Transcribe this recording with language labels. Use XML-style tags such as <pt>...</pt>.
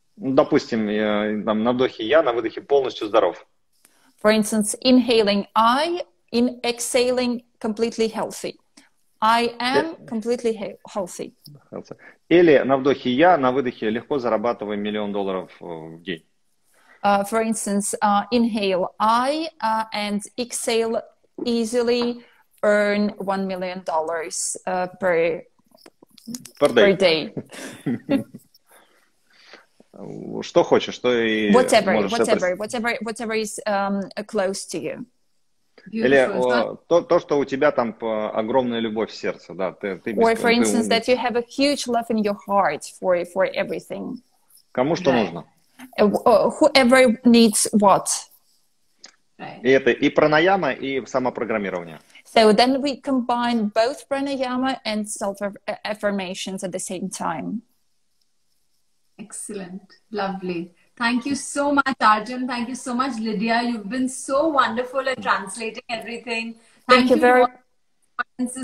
<ru>Допустим, на вдохе я, на выдохе полностью здоров.</ru> <en>For instance, inhaling I, in exhaling completely healthy. I am completely healthy.</en> <ru>Или на вдохе я, на выдохе легко зарабатываю $1,000,000 в день.</ru> <en>For instance, inhale I and exhale easily earn $1,000,000 per day.</en> <ru>Что хочешь, что и</ru> <en>whatever is close to you.</en> <ru>Или то, что у тебя там огромная любовь в сердце, да, ты</ru> <en>or for instance, that you have a huge love in your heart for everything.</en> <ru>Кому что нужно?</ru> <en>Whoever needs what.</en> <ru>И это и пранаяма, и самопрограммирование.</ru> <en>So then we combine both pranayama and self-affirmations at the same time. Excellent. Lovely. Thank you so much, Arjun. Thank you so much, Lydia. You've been so wonderful at translating everything. Thank you very much</en>